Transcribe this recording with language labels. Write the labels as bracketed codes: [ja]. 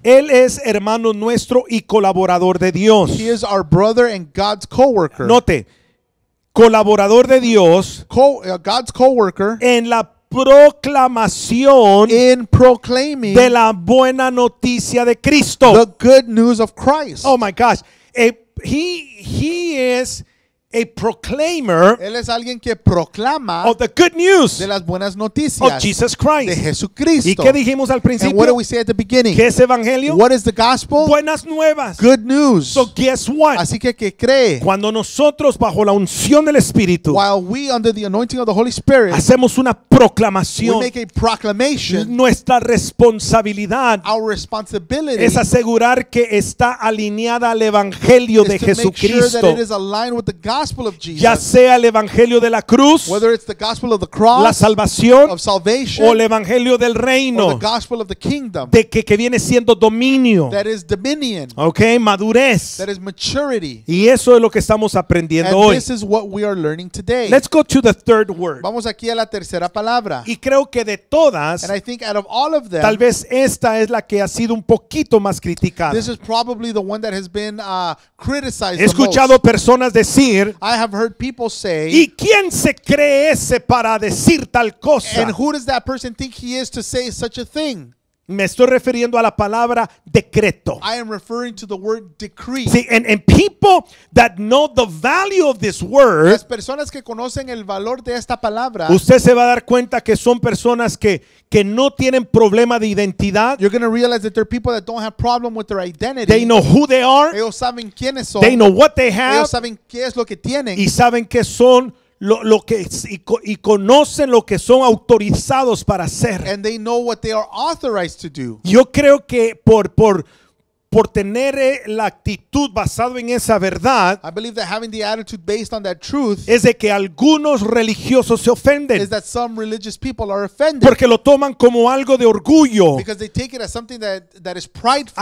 [es] Él es hermano nuestro y colaborador de Dios. [en] He is our brother and God's co-worker. [es] Note. Colaborador de Dios, [en] God's co-worker, [es] en la proclamación, [en] in proclaiming, [es] de la buena noticia de Cristo, [en] the good news of Christ. Oh my gosh, he is a proclaimer. [es] Él es alguien que proclama, [en] of the good news, [es] de las buenas noticias, [en] of Jesus Christ, [es] de Jesucristo. ¿Y qué dijimos al principio? [en] And what did we say at the beginning? [es] ¿Qué es evangelio? [en] What is the gospel? [es] Buenas nuevas. [en] Good news. So guess what? [es] Así que ¿qué cree? Cuando nosotros bajo la unción del Espíritu, [en] while we under the anointing of the Holy Spirit, [es] hacemos una proclamación, [en] we make a proclamation, [es] nuestra responsabilidad, [en] our responsibility, [es] es asegurar que está alineada al evangelio de Jesucristo, [en] is to make sure that it is aligned with the gospel. gospel of Jesus, [es] ya sea el evangelio de la cruz, [en] whether it's the gospel of the cross, [es] la salvación, [en] of salvation, [es] o el evangelio del reino, [en] or the gospel of the kingdom, [es] de que viene siendo dominio, [en] that is dominion, [es] okay, madurez, [en] that is maturity, [es] y eso es lo que estamos aprendiendo [en] and [es] hoy. [en] This is what we are learning today. Let's go to the third word. [es] Vamos aquí a la tercera palabra. Y creo que de todas, [en] and I think out of all of them, [es] tal vez esta es la que ha sido un poquito más criticada. [en] This is probably the one that has been criticized. [es] He escuchado [en] the most. [es] Personas decir, [en] I have heard people say, [es] ¿y quién se cree ese para decir tal cosa? [en] And who does that person think he is to say such a thing? [es] Me estoy refiriendo a la palabra decreto. [en] I am referring to the word decree. See, and people that know the value of this word, [es] las personas que conocen el valor de esta palabra, usted se va a dar cuenta que son personas que no tienen problema de identidad. [en] You're going to realize that they're people that don't have problem with their identity. They know who they are. [es] Ellos saben quiénes son. [en] They know what they have. [es] Ellos saben qué es lo que tienen. Y saben que son lo que y conocen lo que son autorizados para hacer. [en] And they know what they are authorized to do. [es] Yo creo que por tener la actitud basado en esa verdad, [en] I believe that having the attitude based on that truth, [es] es de que algunos religiosos se ofenden, [en] is that some religious people are offended, [es] porque lo toman como algo de orgullo, [en] because they take it as something that is prideful,